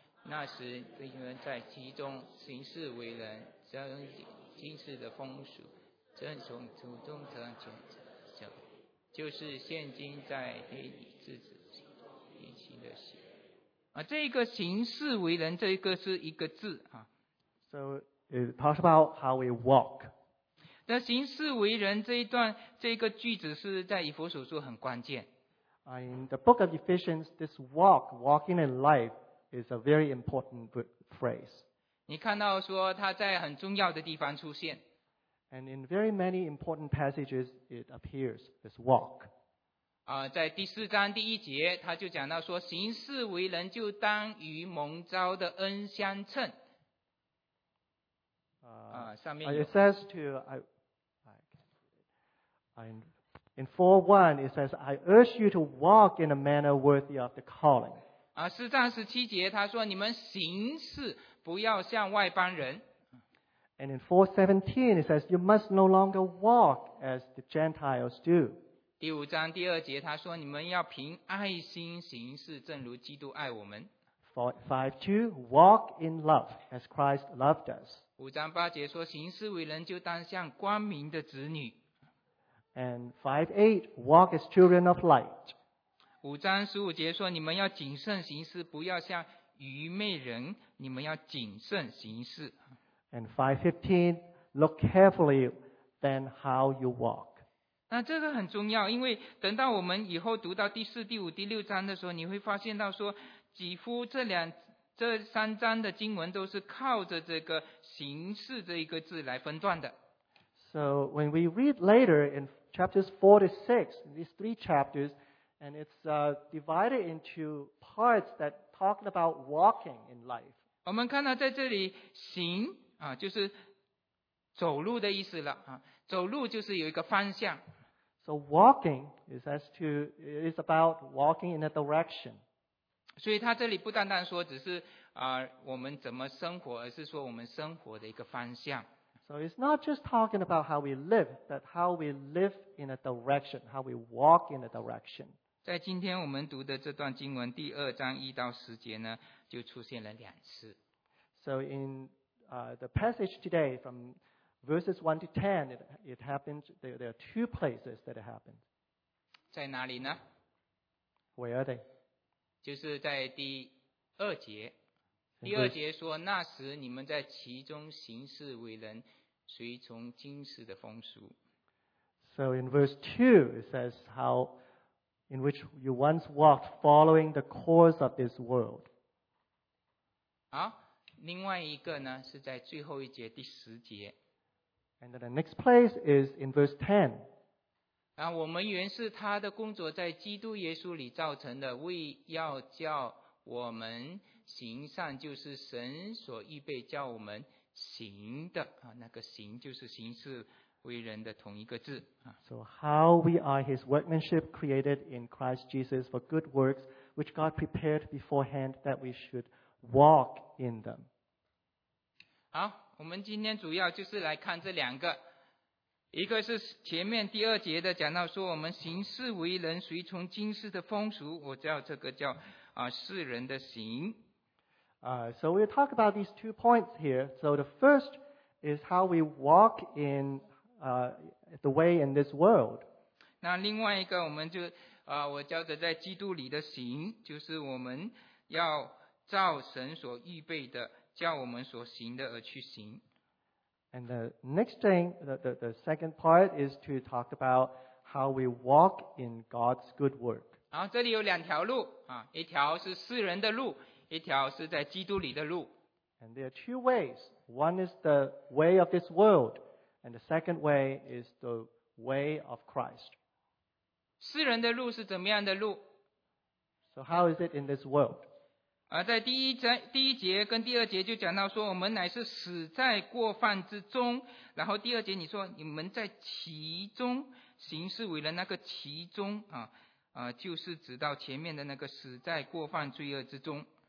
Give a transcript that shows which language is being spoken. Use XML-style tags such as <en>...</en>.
<zh>那时你们在其中行事为人，遵今世的风俗，遵从祖宗的教导，就是现今在黑里自己言行的事。这个行事为人，这个是一个字啊。</zh> <en>So it talks about how we walk.</en> <zh>那行事为人这一段这个句子是在以弗所书很关键。</zh> <en>In the book of Ephesians, this walk, walking in life, is a very important phrase.</en> <zh>你看到说它在很重要的地方出现。</zh> <en>And in very many important passages, it appears this walk.</en> <zh>在第四章第一节，他就讲到说，行事为人就当与蒙召的恩相称。上面有。</zh> <en>It says to in 4:1, it says, "I urge you to walk in a manner worthy of the calling."</en> <zh>四章十七节，他说，你们行事不要像外邦人。</zh> <en>And in 4:17, it says, "You must no longer walk as the Gentiles do."</en> <zh>第五章第二节，他说，你们要凭爱心行事，正如基督爱我们。</zh> <en>5:2, "Walk in love as Christ loved us."</en> <zh>五章八节说，行事为人就当像光明的子女。</zh> <en>And 5:8, "Walk as children of light."</en> <zh>五章十五节说，你们要谨慎行事，不要像愚昧人，你们要谨慎行事。</zh> <en>And 5:15, "Look carefully then how you walk."</en> <zh>那这个很重要，因为等到我们以后读到第四、第五、第六章的时候，你会发现到说，几乎这三章的经文都是靠着这个行事这一个字来分段的。</zh> <en>So when we read later in chapters 4 to 6, these three chapters, and it's divided into parts that talk about walking in life.</en> <zh>我们看到在这里行就是走路的意思了走路就是有一个方向。</zh> <en>So walking is about walking in a direction.</en> <zh>所以他这里不单单说只是我们怎么生活，而是说我们生活的一个方向。</zh> <en>So it's not just talking about how we live, but how we live in a direction, how we walk in a direction.</en> <zh>在今天我们读的这段经文第二章一到十节呢，就出现了两次。</zh> <en>So in the passage today from verses 1 to 10, it happened, there are two places that it happened.</en> <zh>在哪里呢？</zh> <en>Where are they?</en> <zh>就是在第二节。第二节说，那时你们在其中行事为人，随从今世的风俗。</zh> <en>So in verse 2, it says how in which you once walked following the course of this world.</en> <zh>好，另外一个呢，是在最后一节第十节。</zh> <en>And then the next place is in verse 10.</en> <zh>我们原是他的工作，在基督耶稣里造成的，为要叫我们行善，就是神所预备叫我们行的那个行就是行事为人的同一个字。</zh> <en>So how we are his workmanship created in Christ Jesus for good works, which God prepared beforehand that we should walk in them.</en> <zh>好，我们今天主要就是来看这两个，一个是前面第二节的讲到说，我们行事为人随从今世的风俗，我叫这个叫世人的行。</zh> <en>So we'll talk about these two points here. So the first is how we walk in the way in this world.</en> <zh>那另外一个我们就我叫做在基督里的行，就是我们要照神所预备的，叫我们所行的而去行。</zh> <en>And the next thing, the second part is to talk about how we walk in God's good work.</en> <zh>然后这里有两条路一条是世人的路，一条是在基督里的路。</zh> <en>And there are two ways. One is the way of this world, and the second way is the way of Christ.</en> <zh>世人的路是怎么样的路？</zh> <en>So how is it in this world?</en> <zh>在第一节跟第二节就讲到说，我们乃是死在过犯之中。然后第二节你说，你们在其中行事为人，那个其中就是指到前面的那个死在过犯罪恶之中。</zh>